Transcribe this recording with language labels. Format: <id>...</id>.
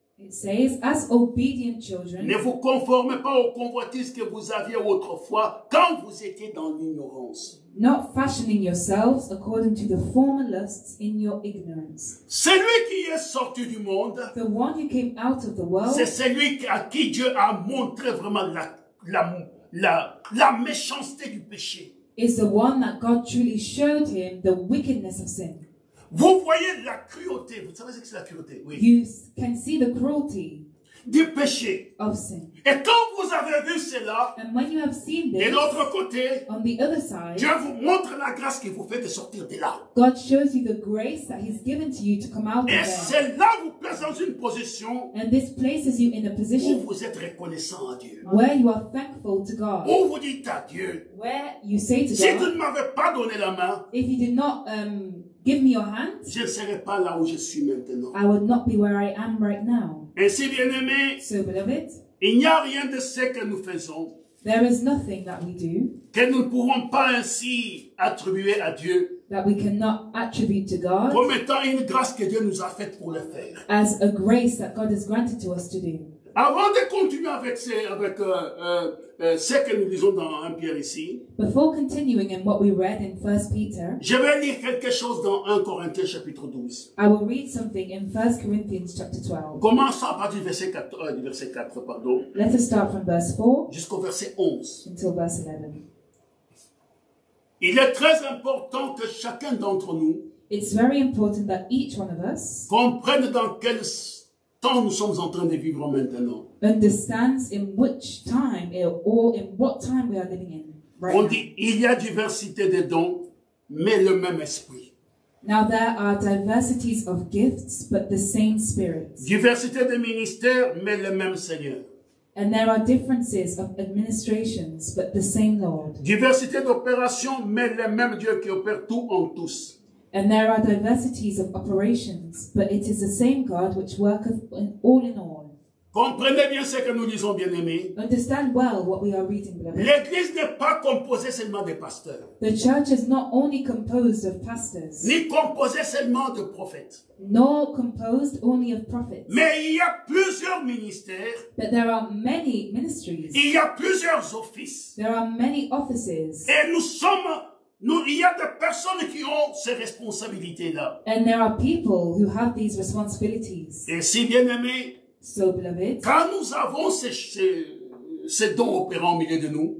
<en>It says, as obedient children.</en> <fr>Ne vous conformez pas aux convoitises que vous aviez autrefois quand vous étiez dans l'ignorance.</fr> <en>Not fashioning yourselves according to the former lusts in your ignorance.</en> <fr>Celui qui est sorti du monde,</fr> <en>the one who came out of the world,</en> <fr>c'est celui à qui Dieu a montré vraiment la méchanceté du péché.</fr> <en>Is the one that God truly showed him the wickedness of sin.</en> <fr>Vous voyez la cruauté, vous savez ce que c'est la cruauté, oui.</fr> <en>You can see the cruelty</en> <fr>du péché.</fr> <en>Of sin.</en> <fr>Et quand vous avez vu cela,</fr> <en>and when you have seen this,</en> <fr>de l'autre côté,</fr> <en>on the other side,</en> <fr>Dieu vous montre la grâce qui vous fait de sortir de là.</fr> <en>God shows you the grace that he's given to you to come out</en> <fr>et</fr> <en>of there.</en> <fr>Et cela vous place dans une position,</fr> <en>and this places you in a position,</en> <fr>où vous êtes reconnaissant à Dieu.</fr> <en>Where you are thankful to God.</en> <fr>Où vous dites à Dieu,</fr> <en>where you say to</en> <fr>si</fr> <en>God,</en> <fr>tu ne m'avais pas donné la main,</fr> <en>if you did not, give me your hand.</en> <fr>Je ne serai pas là où je suis maintenant.</fr> <en>I would not be where I am right now.</en> <fr>Ainsi, bien aimé,</fr> <en>so, beloved,</en> <fr>il n'y a rien de ce que nous faisons.</fr> <en>There is nothing that we do.</en> <fr>Que nous ne pouvons pas ainsi attribuer à Dieu.</fr> <en>That we cannot attribute to God.</en> <fr>Comme étant une grâce que Dieu nous a faite pour le faire.</fr> <en>As a grace that God has granted to us to do.</en> <fr>Avant de continuer avec ce, avec ce que nous lisons dans 1 Pierre ici.</fr> <en>Before continuing in what we read in 1 Peter.</en> <fr>Je vais lire quelque chose dans 1 Corinthiens chapitre 12.</fr> <en>I will read something in 1 Corinthians chapter 12.</en> <fr>Commençons à partir du verset 4, pardon.</fr> <en>Let us start from verse 4.</en> <fr>Jusqu'au verset 11.</fr> <en>Until verse 11.</en> <fr>Il est très important que chacun d'entre nous.</fr> <en>It's very important that each one of us.</en> <fr>Comprenne dans quel temps nous sommes en train de vivre maintenant.</fr> <en>Understands in which time or in what time we are living in. Right.</en> <fr>On dit il y a diversité de dons, mais le même esprit.</fr> <en>Now there are diversities of gifts, but the same spirit.</en> <fr>Diversité de ministères, mais le même Seigneur.</fr> <en>And there are differences of administrations, but the same Lord.</en> <fr>Diversité d'opérations, mais le même Dieu qui opère tout en tous.</fr> <en>And there are diversities of operations, but it is the same God which worketh all in all.</en> <fr>Comprenez bien ce que nous lisons, bien aimés.</fr> <en>Understand well what we are reading, beloved.</en> <fr>L'Église n'est pas composée seulement de pasteurs.</fr> <en>The church is not only composed of pastors.</en> <fr>Ni composée seulement de prophètes.</fr> <en>Nor composed only of prophets.</en> <fr>Mais il y a plusieurs ministères.</fr> <en>But there are many ministries.</en> <fr>Il y a plusieurs offices.</fr> <en>There are many offices.</en> <fr>Et nous sommes. Nous, il y a des personnes qui ont ces responsabilités-là.</fr> <en>And there are people who have these responsibilities.</en> <fr>Et si bien aimé,</fr> <en>so beloved,</en> <fr>quand nous avons ces dons opérant au milieu de nous,</fr>